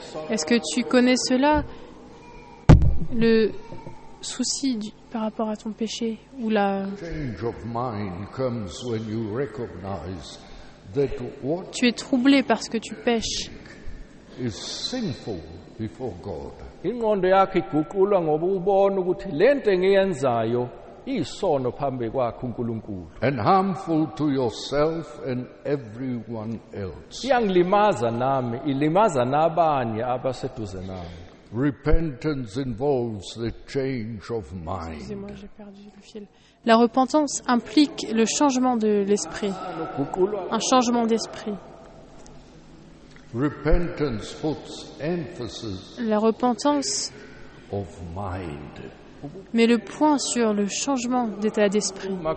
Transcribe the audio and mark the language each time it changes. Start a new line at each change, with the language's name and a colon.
French: Est-ce que tu connais cela, le souci du par rapport à ton péché ou la
English: change of mind comes when you recognize that what
French: tu es troublé parce que tu pèches
English: is sinful before God.
Zulu: Ingqondo yakho iguqulwa ngoba ubona ukuthi le nto engiyenzayo isono phambi kwakhe uNkulunkulu.
English: And harmful to yourself and everyone else.
Zulu: Iyangilimaza nami, ilimaza nabanye abaseduze nami.
English: Repentance involves the change of mind.
French: Excusez-moi, j'ai perdu le fil. La repentance implique le changement de l'esprit, un changement d'esprit.
English: Repentance puts emphasis
French: la repentance
English: of mind.
French: Met le point sur le changement d'état d'esprit.